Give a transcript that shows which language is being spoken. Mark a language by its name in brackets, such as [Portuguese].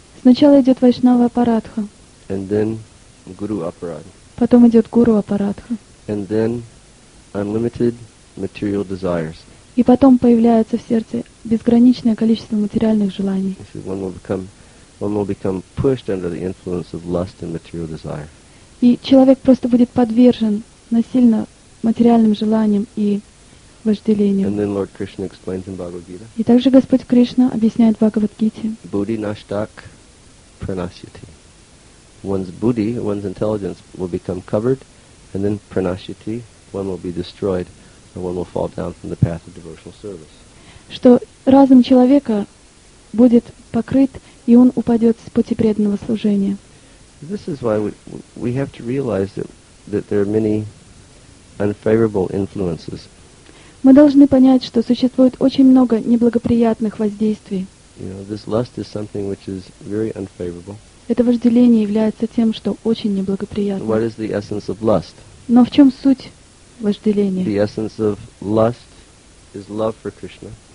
[Russian] Сначала идет Вайшнава Апарадха. [English] And then Guru Aparad. [Russian] Потом идет Гуру Апарадха. [English] And then unlimited material desires. [Russian] И потом появляется в сердце безграничное количество материальных желаний. [English] One will become pushed under the influence of lust and material desire. [Russian] И человек просто будет подвержен насильно материальным желаниям и вожделениям. [English] And then Lord Krishna explains in Bhagavad Gita. [Russian] И также Господь Кришна объясняет в Бхагавад Гите. [Sanskrit] Buddhi nashtak pranashyati. [English] One's buddhi, one's intelligence will become covered, and then pranashyati, one will be destroyed, and one will fall down from the path of devotional service. [Russian] Что разум человека будет покрыт, и он упадет с пути преданного служения. [English] This is why we have to realize that there are many unfavorable influences. [Russian] Мы должны понять, что существует очень много неблагоприятных воздействий. [English] You know, this lust is something which is very unfavorable. [Russian] Это вожделение является тем, что очень неблагоприятно. [English] What is the essence of lust? [Russian] Но в чем суть вожделения? [English] The essence of lust is love for Krishna.